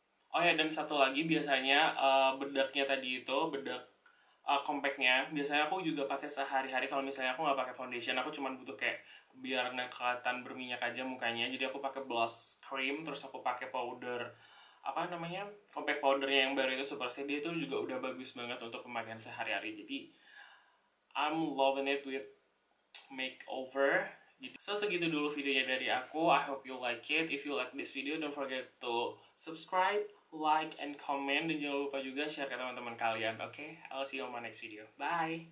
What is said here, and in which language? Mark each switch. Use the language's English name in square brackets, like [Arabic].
[Indonesian] Oh ya, dan satu lagi biasanya bedaknya tadi itu, bedak compactnya, biasanya aku juga pakai sehari-hari. Kalau misalnya aku nggak pakai foundation, aku cuma butuh kayak biar nggak kelihatan berminyak aja mukanya. Jadi aku pakai blush cream, terus aku pakai powder, apa namanya, compact powdernya yang baru itu Super C. Dia itu juga udah bagus banget untuk pemakaian sehari-hari. [English] Jadi I'm loving it with makeover. [Indonesian] So, segitu dulu videonya dari aku. [English] I hope you like it. If you like this video, don't forget to subscribe, like, and comment. [Indonesian] Dan jangan lupa juga share ke teman-teman kalian. [English] Okay? I'll see you on my next video. Bye!